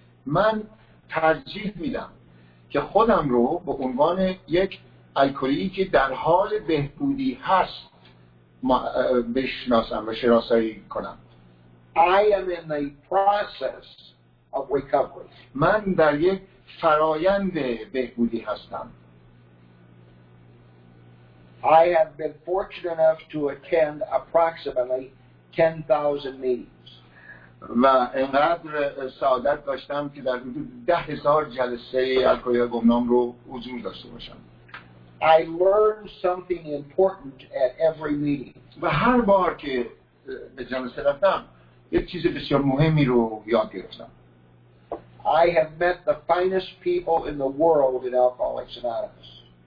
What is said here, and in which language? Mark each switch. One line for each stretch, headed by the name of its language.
Persian: من ترجیح میدم که خودم رو به عنوان یک الکلی که در حال بهبودی هست بشناسم و شناسایی کنم.
English: I am in the process of recovery.
Persian: من در یک فرایند بهبودی هستم.
English: I have been fortunate enough to attend approximately 10,000 meetings.
Persian: و اینقدر سعادت داشتم که در حدود 10,000 جلسه الکلی‌های گمنام رو حضور داشته باشم.
English: I learn something important at every meeting.
Persian: و هر بار که به جلسه رفتم یک چیز بسیار مهمی رو یاد گرفتم.
English: I have met the finest people in the world in Alcoholics Anonymous.